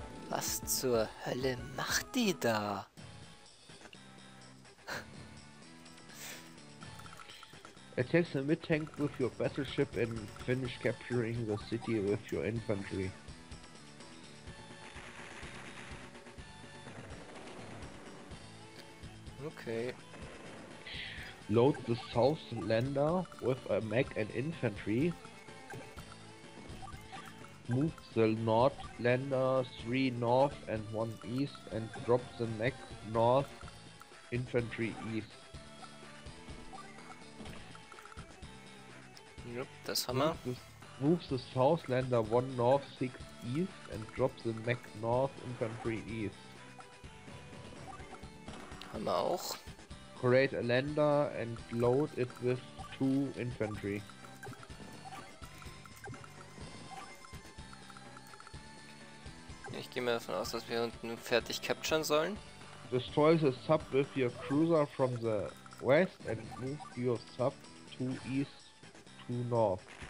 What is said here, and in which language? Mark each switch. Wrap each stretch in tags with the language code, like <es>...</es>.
<de>Was zur Hölle macht die da?</de> <en>Attack the mid tank with your battleship and finish capturing the city with your infantry. Okay. load the south lander with a mech and infantry. Move the north lander 3 north and 1 east and drop the mech north infantry east.</en> <de>Yep, das haben wir.</de> <en>Move the south lander 1 north 6 east and drop the mech north infantry east.</en> <de>Haben wir auch.</de> <en>Create a lander and load it with 2 infantry.</en> <de>Ich gehe mal davon aus, dass wir unten fertig capturen sollen.</de> <en>Destroy the sub with your cruiser from the west and move your sub to east to north.</en>